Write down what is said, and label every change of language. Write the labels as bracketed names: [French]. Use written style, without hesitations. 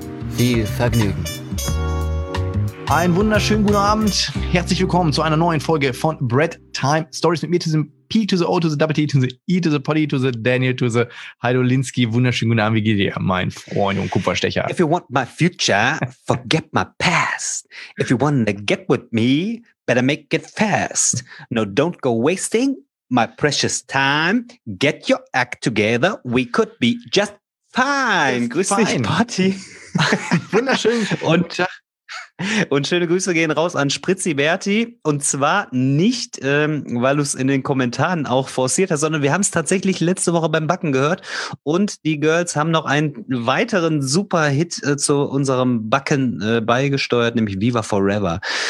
[German] Viel Vergnügen. Einen wunderschönen guten Abend. Herzlich willkommen zu einer neuen Folge von Bretttime Stories mit mir, diesem P to the O to the W to the E to the Potty to the Daniel to the Heidolinski. Wunderschönen guten Abend, wie geht dir, mein Freund und Kupferstecher? [English] If you want my future, forget my past. If you want to get with me, better make it fast. No, don't go wasting my precious time. Get your act together, we could be just fine. [German] Grüß dich, Potty. Wunderschön. Und schöne Grüße gehen raus an Spritzi Berti. Und zwar nicht, weil du es in den Kommentaren auch forciert hast, sondern wir haben es tatsächlich letzte Woche beim Backen gehört. Und die Girls haben noch einen weiteren Super-Hit zu unserem Backen beigesteuert, nämlich Viva Forever.